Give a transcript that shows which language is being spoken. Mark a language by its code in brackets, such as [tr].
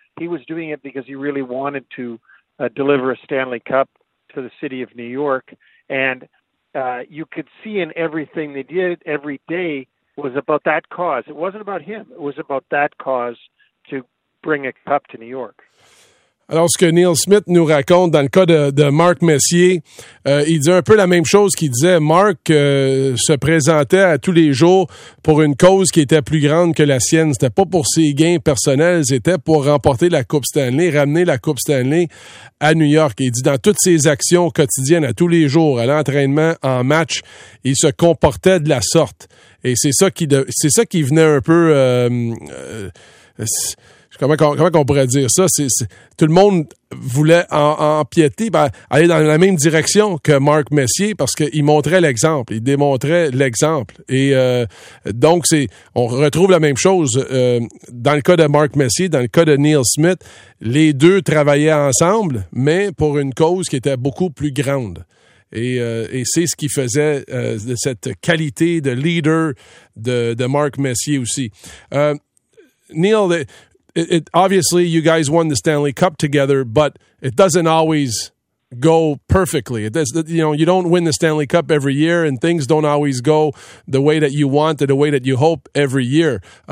[en] He was doing it because he really wanted to deliver a Stanley Cup to the city of New York. And you could see in everything they did every day was about that cause. It wasn't about him. It was about that cause to bring a cup to New York. [fr] Alors, ce que Neil Smith nous raconte dans le cas de Marc Messier, il disait un peu la même chose qu'il disait. Marc se présentait à tous les jours pour une cause qui était plus grande que la sienne. C'était pas pour ses gains personnels, c'était pour remporter la Coupe Stanley, ramener la Coupe Stanley à New York. Il dit, dans toutes ses actions quotidiennes, à tous les jours, à l'entraînement, en match, il se comportait de la sorte. Et c'est ça qui venait un peu... Comment on pourrait dire ça? C'est, tout le monde voulait empiéter, ben, aller dans la même direction que Marc Messier parce qu'il montrait l'exemple, il démontrait l'exemple. Et donc, on retrouve la même chose dans le cas de Marc Messier, dans le cas de Neil Smith. Les deux travaillaient ensemble, mais pour une cause qui était beaucoup plus grande. Et c'est ce qui faisait de cette qualité de leader de Marc Messier aussi. [en] Neil, It obviously, you guys won the Stanley Cup together, but it doesn't always go perfectly. It does, you know, you don't win the Stanley Cup every year, and things don't always go the way that you want or the way that you hope every year.